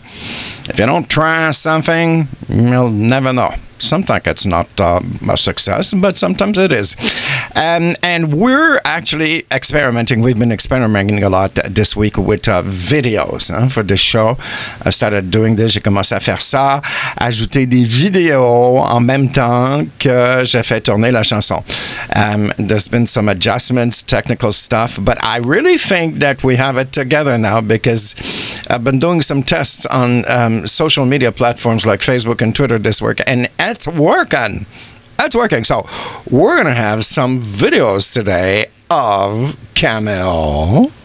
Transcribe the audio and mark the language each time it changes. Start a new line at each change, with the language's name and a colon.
English: If you don't try something, you'll never know. Sometimes it's not a success, but sometimes it is. And we're actually experimenting. We've been experimenting a lot this week with videos for this show. I started doing this.
French: J'ai commencé à faire ça. Ajouter des vidéos en même temps que j'ai fait tourner la chanson.
English: There's been some adjustments, technical stuff. But I really think that we have it together now because I've been doing some tests on social media platforms like Facebook and Twitter this week. And it's working. That's working. So we're going to have some videos today of Cameo.